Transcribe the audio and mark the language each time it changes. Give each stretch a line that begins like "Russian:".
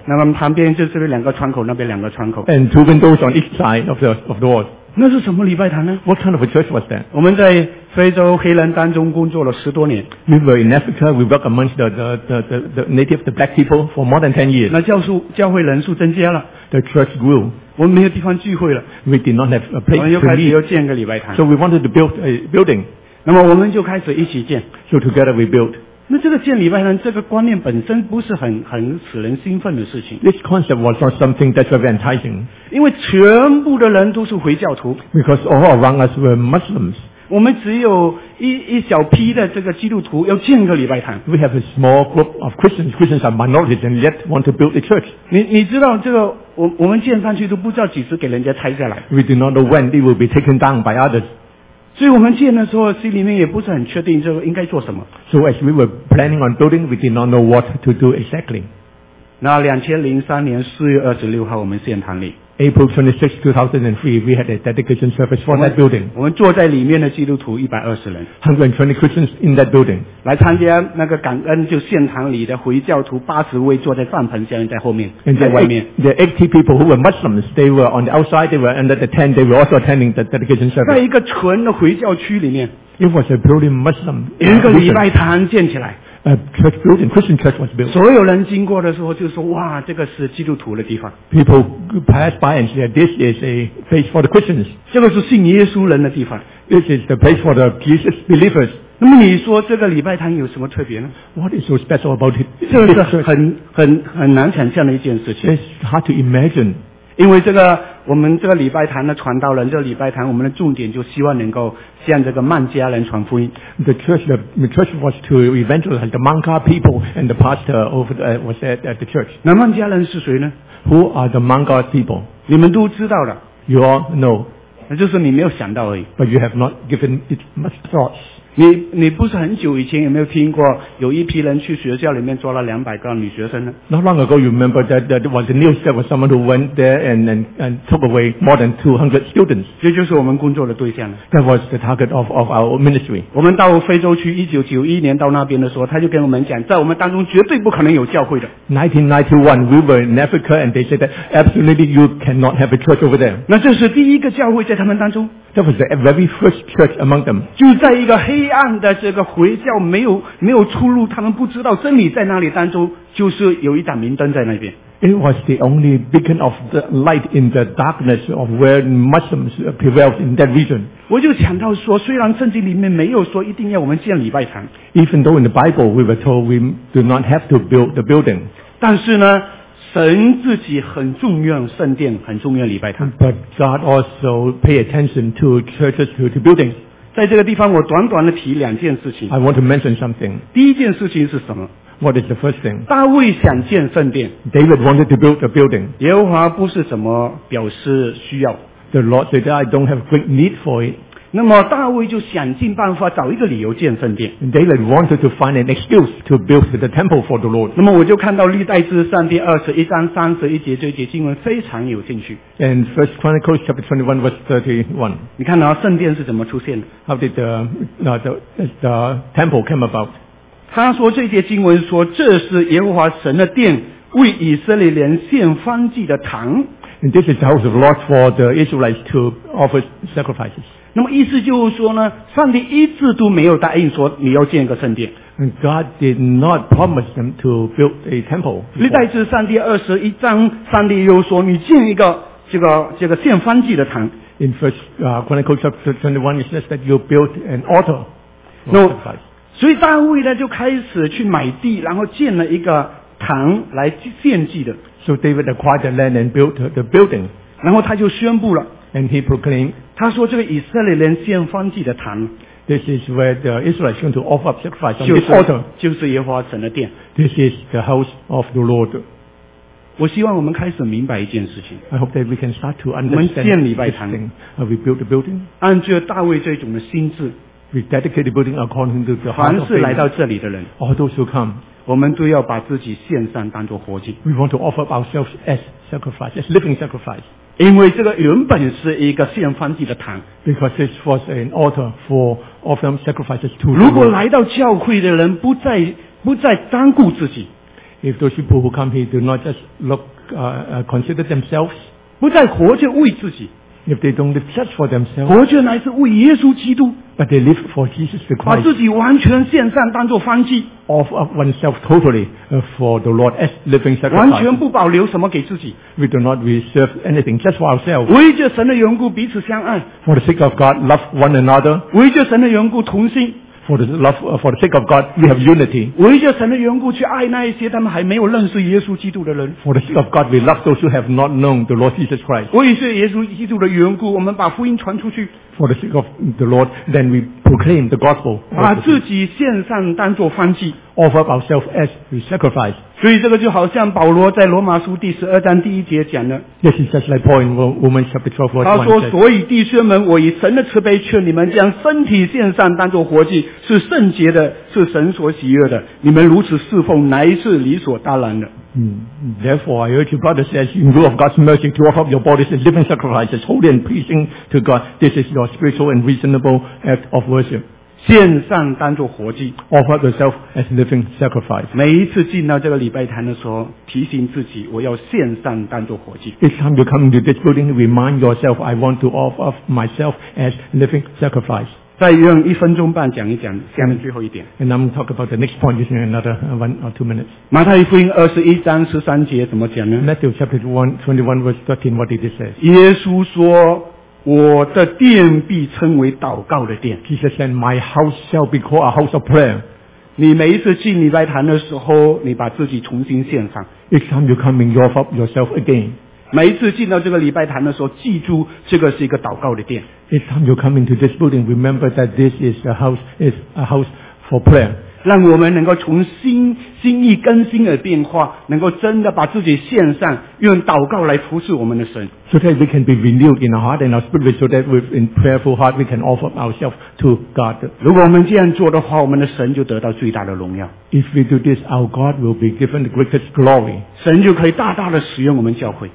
Chinese: 那么旁边就是两个窗口，那边两个窗口。
English: And two windows on each side of the door.
Chinese: 那是什么礼拜堂呢？
English: What kind of a church was that?
Chinese: 我们在非洲黑人当中工作了十多年。
English: We were in Africa, we worked amongst the native, the black people for more than 10 years.
Chinese: 那教会人数增加了。
English: The church grew.
Chinese: 我们没有地方聚会了。
English: We did not have a place to meet.
Chinese: 我们又开始要建个礼拜堂。
English: So we wanted to build a building.
Chinese: 那么我们就开始一起建。
English: So together we built.
Chinese: 那这个建礼拜堂这个观念本身不是很使人兴奋的事情。
English: This concept was not something that's very enticing.
Chinese: 因为全部的人都是回教徒。
English: Because all around us were Muslims.
Chinese: 我们只有一小批的这个基督徒要建个礼拜堂。
English: We have a small group of Christians. Christians are minorities and yet want to build a church.
Chinese: 你知道这个我们建上去都不知道几时给人家拆下来。
English: We do not know when it will be taken down by others.
Chinese: 所以我们建的时候心里面也不是很确定这个应该做什么。
English: So as we were planning on building, we did not know what to do exactly.
Chinese: 那2003年4月26号我们献堂礼。
English: April 26, 2003, we had a dedication service for that building.
Chinese: 我们坐在里面的基督徒120人。
English: 120 Christians in that building.
Chinese: 来参加那个感恩就献堂礼的回教徒80位坐在帐篷下面在后面。
English: And
Chinese: 在外面。
English: The 80 people who were Muslims, they were on the outside, they were under the tent, they were also attending the dedication service.
Chinese: 在一个纯的回教区里面。
English: It was a purely Muslim.
Chinese: 一个礼拜堂建起来。
English: A church building, Christian church was built.
Chinese: 所有人经过的时候就说哇这个是基督徒的地方。
English: People pass by and say this is a place for the Christians.
Chinese: 这个是信耶稣人的地方。
English: This is the place for the Jesus believers.
Chinese: 那么你说这个礼拜堂有什么特别呢？
English: What is so special about it?
Chinese: 这是很难想象的一件事情。
English: It's hard to imagine.
Chinese: 因为这个我们这个礼拜堂的传道人，这个礼拜堂我们的重点就希望能够向这个孟加人传福音。
English: The church was to evangelize the Mangka people and the pastor over the, was at the church.
Chinese: 那孟加人是谁呢？
English: Who are the Mangka people?
Chinese: 你们都知道了。
English: You all know.
Chinese: 那就是你没有想到而已。
English: But you have not given it much thought.
Chinese: 你不是很久以前有没有听过有一批人去学校里面抓了200个女学生呢？
English: Not long ago you remember that was the news that was someone who went there and took away more than 200 students.
Chinese: 这就是我们工作的对象了。
English: That was the target of our ministry.
Chinese: 我们到非洲去1991年到那边的时候，他就跟我们讲在我们当中绝对不可能有教会的。
English: 1991 we were in Africa and they said that absolutely you cannot have a church over there.
Chinese: 那这是第一个教会在他们当中。
English: That was the very first church among them.
Chinese: 就在一个黑暗的这个回教没有出路，他们不知道真理在那里当中，就是有一盏明灯在那边。
English: It was the only beacon of the light in the darkness of where Muslims prevailed in that region.
Chinese: 我就想到说，虽然圣经里面没有说一定要我们建礼拜堂，
English: even though in the Bible we were told we do not have to build the building，
Chinese: 但是呢，神自己很重要圣殿，很重要礼拜堂。
English: But God also pay attention to churches, to buildings.
Chinese: 在这个地方，我短短的提两件事情。
English: I want to mention something.
Chinese: 第一件事情是什么？
English: What is the first thing?
Chinese: 大卫想建圣殿。
English: David wanted to build a building.
Chinese: 耶和华不是什么表示需要。
English: The Lord said that I don't have great need for it.
Chinese: 那么大卫就想尽办法找一个理由建圣殿。
English: David wanted to find an excuse to build the temple for the Lord.
Chinese: 那么我就看到历代志上第21章31节这节经文非常有兴趣。
English: And First Chronicles chapter 21 verse 31.
Chinese: 你看到圣殿是怎么出现的？
English: How did the temple come about?
Chinese: 他说这些经文说这是耶和华神的殿为以色列人献燔祭的堂。
English: And this is the house of the Lord for the Israelites to offer sacrifices.
Chinese: 那么意思就是说呢，上帝一直都没有答应说你要建一个圣殿。
English: And God did not promise them to build a temple.
Chinese: 历代志上第21章，上帝又说你建一个这个献燔祭的堂。
English: In First Chronicles chapter 21, it says that you build an altar. No.
Chinese: 所以大卫呢就开始去买地，然后建了一个堂来献祭的。
English: So David acquired the land and built the building.
Chinese: 然后他就宣布了。
English: And he proclaimed.
Chinese: 他说这个以色列人献燔祭的堂。
English: This is where the Israelites going to offer up sacrifice on this altar.
Chinese: 就是耶和华神的殿。
English: This is the house of the Lord.
Chinese: 我希望我们开始明白一件事情。
English: I hope that we can start to understand.
Chinese: 我们建礼拜堂。
English: We build the building.
Chinese: 按照大卫这种的心智。
English: We dedicate the building according to the heart of faith. All those who come,
Chinese: 我们都要把自己献上当作活祭。
English: We want to offer up ourselves as sacrifice, as living sacrifice.
Chinese: 因为这个原本是一个献燔祭的堂。
English: Because this was an altar for offering sacrifices to.
Chinese: 如果来到教会的人不再单顾自己。
English: If those people who come here do not just consider themselves,
Chinese: 不再活着为自己。
English: If they don't live just for themselves,
Chinese: 活着乃是为耶稣基督。
English: But they live for Jesus the Christ.
Chinese: 把自己完全献上，当作燔祭。
English: Offer oneself totally for the Lord as living sacrifice.
Chinese: 完全不保留什么给自己。
English: We do not reserve anything just for ourselves.
Chinese: 为着神的缘故彼此相爱。
English: For the sake of God, love one another.
Chinese: 为着神的缘故同心。
English: For the sake of God, we have unity.
Chinese: 为着神的缘故去爱那一些他们还没有认识耶稣基督的人。
English: For the sake of God, we love those who have not known the Lord Jesus Christ.
Chinese: 为着耶稣基督的缘故，我们把福音传出去。
English: For the sake of the Lord, then we proclaim the gospel.
Chinese: 把自己献上当作燔祭。
English: Offer ourselves as a sacrifice.
Chinese: 所以这个就好像保罗在罗马书第十二章第一节讲的。
English: This is just like Paul in Romans chapter 12 verse 1.
Chinese: 他说：“所以弟兄们，我以神的慈悲劝你们，将身体献上当作活祭，是圣洁的，是神所喜悦的。你们如此侍奉，乃是理所当然的。”
English: Therefore, I urge you, brothers, as in view of God's mercy, to offer up your bodies as living sacrifices, holy and pleasing to God. This is your spiritual and reasonable act of worship.
Chinese: 献上当作活祭。
English: Offer yourself as living sacrifice.
Chinese: 每一次进到这个礼拜堂的时候，提醒自己，我要献上当作活祭。
English: Each time you come into this building, remind yourself, I want to offer up myself as living sacrifice.
Chinese: 再用一分钟半讲一讲下面最后一点。
English: And I'm talk about the next point in another one or two minutes.
Chinese: 马太福音21章13节怎么讲呢？
English: Matthew chapter 21 verse 13, what did it say?
Chinese: 耶稣说，我的殿必称为祷告的殿。
English: Jesus said, my house shall be called a house of prayer.
Chinese: 你每一次进礼拜堂的时候，你把自己重新献上。
English: Each time you come in, you offer up yourself again.
Chinese: 每一次进到这个礼拜堂的时候，记住这个是一个祷告的殿。
English: Each time you come into this building, remember that this is a house, is a house for prayer.
Chinese: 让我们能够从心意更新而变化，能够真的把自己献上，用祷告来服侍我们的神。
English: So that we can be renewed in our heart and our spirit, so that with in prayerful heart we can offer ourselves to God.
Chinese: 如果我们这样做的话，我们的神就得到最大的荣耀。
English: If we do this, our God will be given the greatest glory.
Chinese: 神就可以大大的使用我们教会。